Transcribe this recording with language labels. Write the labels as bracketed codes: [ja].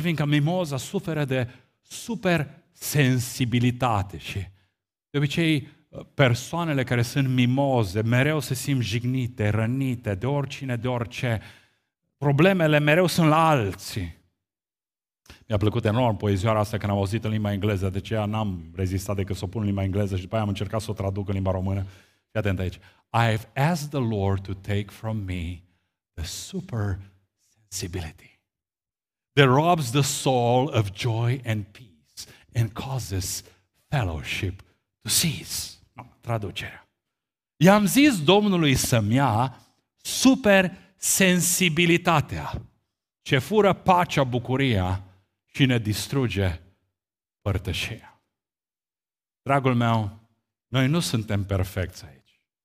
[ro] Fiindcă mimoza suferă de supersensibilitate și de obicei persoanele care sunt mimoze mereu se simt jignite, rănite, de oricine, de orice. Problemele mereu sunt la alții. Mi-a plăcut enorm poezioara asta când am auzit în limba engleză, de aceea n-am rezistat decât să o pun în limba engleză și după aia am încercat să o traduc în limba română. Fii atent aici. [en] I have asked the Lord to take from me the super sensibility that robs the soul of joy and peace and causes fellowship to cease. [ro] No, traducerea. I-am zis Domnului să-mi ia super sensibilitatea ce fură pacea, bucuria și ne distruge părtășia. Dragul meu, noi nu suntem perfecți aici.